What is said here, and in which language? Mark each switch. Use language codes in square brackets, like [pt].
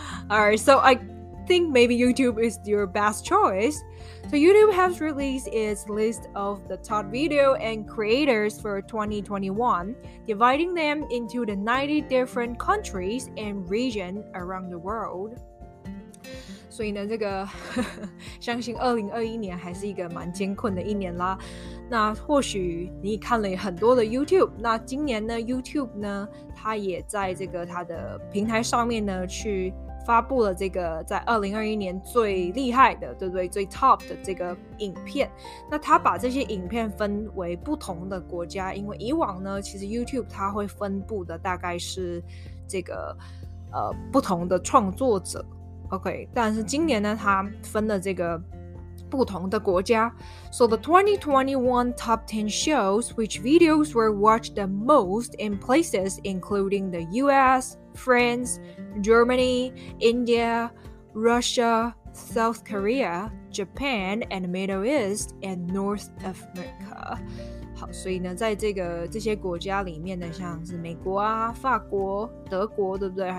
[en] Alright, so I think maybe YouTube is your best choice. So YouTube has released its list of the top video and creators for 2021, dividing them into the 90 different countries and regions around the world. [zh] 所以呢，这个相信2021年还是一个蛮艰困的一年啦。那或许你看了很多的 YouTube， 那今年呢 ，YouTube 呢，它也在这个它的平台上面呢，去发布了这个在2021年最厉害的，对不对？最 top 的这个影片。那它把这些影片分为不同的国家，因为以往呢，其实 YouTube 它会分布的大概是这个不同的创作者。 OK， 但是今年呢，它分了这个不同的国家。 [en] So the 2021 top 10 shows which videos were watched the most in places including the US, France, Germany, India, Russia, South Korea, Japan, and Middle East, and North America. [zh] 好，所以呢，在这个这些国家里面呢，像是美国啊、法国、德国，对不对？